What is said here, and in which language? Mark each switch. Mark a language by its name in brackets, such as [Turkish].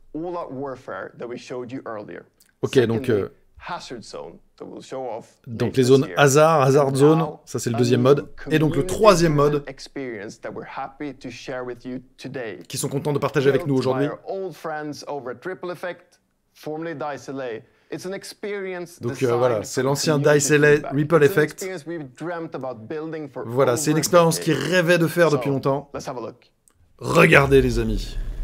[English] All that warfare that we showed you earlier. [French] OK, donc [English] Hazard Zone that we'll show off. [French] Donc les zones Hazard Zone, ça c'est le deuxième mode, et donc le troisième mode [English] experience that we're happy to share with you today. [French] Qui sont contents de partager avec nous aujourd'hui. [English] Old friends over at Triple Effect, formerly Dice LA. It's an experience. [French] Donc voilà, c'est l'ancien Dice LA Ripple Effect. Voilà, c'est une expérience qu'ils rêvaient de faire depuis longtemps. Regardez les amis.